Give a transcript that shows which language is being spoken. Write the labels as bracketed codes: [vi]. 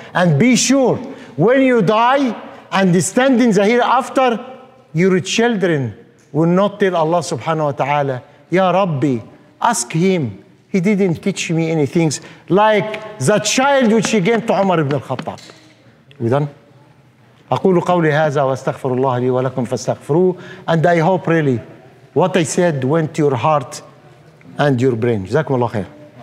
[en] And be sure when you die and stand in the hereafter, your children will not tell Allah subhanahu wa ta'ala, Ya Rabbi, ask him. He didn't teach me any things like the child which he gave to Umar ibn al-Khattab. We done? [ar] أقول قولي هذا واستغفر الله لي ولكم فاستغفروه. [en] And I hope really what I said went to your heart and your brain. [ar] جزاكم الله خير.